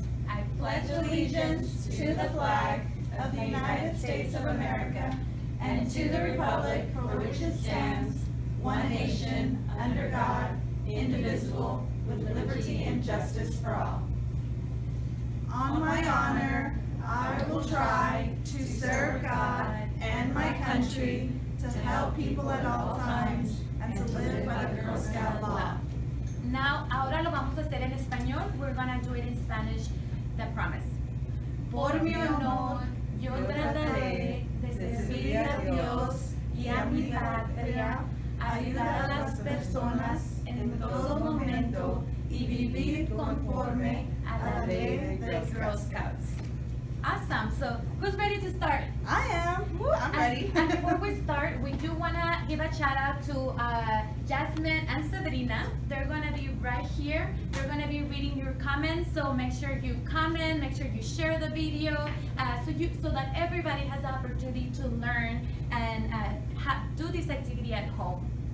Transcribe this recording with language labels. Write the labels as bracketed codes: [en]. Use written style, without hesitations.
[en] I pledge allegiance to the flag of the United States of America and to the Republic for which it stands, one nation, under God, indivisible, with liberty and justice for all. On my honor, I will try to serve God and my country, to help people at all times, and to live by the Girl Scout law. Now, [es] ahora lo vamos a hacer en español. [en] We're going to do it in Spanish. The Promise. [es] Por mi honor, yo trataré de servir a Dios y a mi patria, ayudar a las personas en todo momento y vivir conforme a la ley de los Girl Scouts. [en] Awesome. So, who's ready to start? I am. Woo. I'm ready. And before we start, we do want to give a shout out to Jasmine and Sabrina. They're going to be right here. They're going to be reading your comments. So, make sure you comment, make sure you share the video so that everybody has the opportunity to learn and do this activity at home.